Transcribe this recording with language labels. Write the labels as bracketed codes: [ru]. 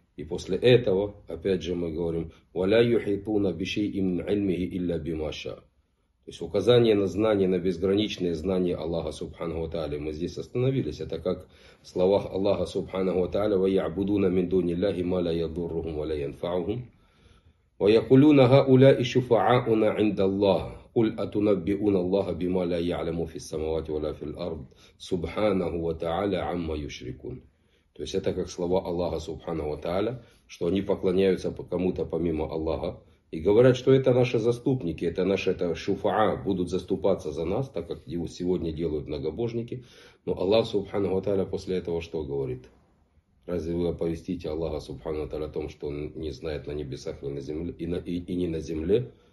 [ru] И после этого, опять же, мы говорим: [ar] «Валя юхитуна бишей им ильмихи илля бимаша». [ru] То есть указание на знание, на безграничное знание Аллаха Субханаху Тааля. Мы здесь остановились. Это как в словах Аллаха Субханаху Тааля: [ar] «Ва ябудуна мин дуни ляхи ма ля ядуррухум ва ля янфаухум». «Ва якулуна га уля и шуфааауна инда Аллаха». قل أتنبئون الله بما لا يعلم في السماوات ولا في الأرض سبحانه وتعالى عما يشركون. [ru] То есть это как слова Аллаха Субханаху Тааля, что они поклоняются кому-то помимо Аллаха и говорят, что это наши заступники, это наши шуфаа, будут заступаться за нас, так как его сегодня делают многобожники. Но Аллах Субханаху Тааля после этого что говорит? Разве вы оповестите Аллаха Субханаху Тааля о том, что он не знает на небесах и на земле, и не на земле?